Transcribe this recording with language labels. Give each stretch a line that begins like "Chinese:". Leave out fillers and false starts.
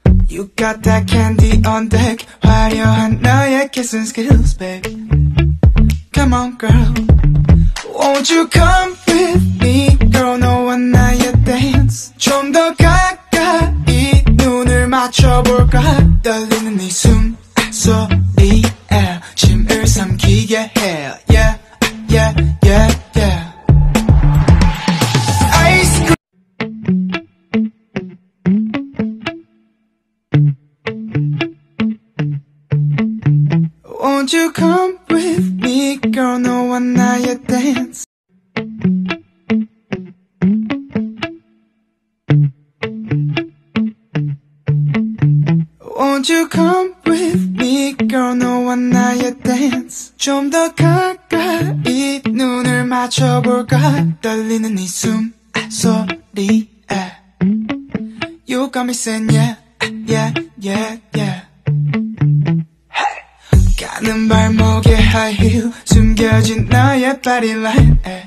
English: You got that candy on deck,
Korean: 화려한 너의
English: kissing skills, babe. Come on, girl. Won't you come with me, girl? No one now you dance.
Korean: 좀 더 가까이 눈을 맞춰볼까? 떨리는 이 숨소리에 침을 삼키게 해.
English: Yeah, yeah, yeah, yeah. Won't you come with me, girl? No one now you dance. Won't you come with me, girl? No one now you dance.
Korean: 좀 더 가까이 눈을 맞춰볼까? 떨리는 이 숨소리에.
English: You got me saying yeah, yeah, yeah, yeah.
Korean: 가는 발목에 high heel, 숨겨진 너의 body line.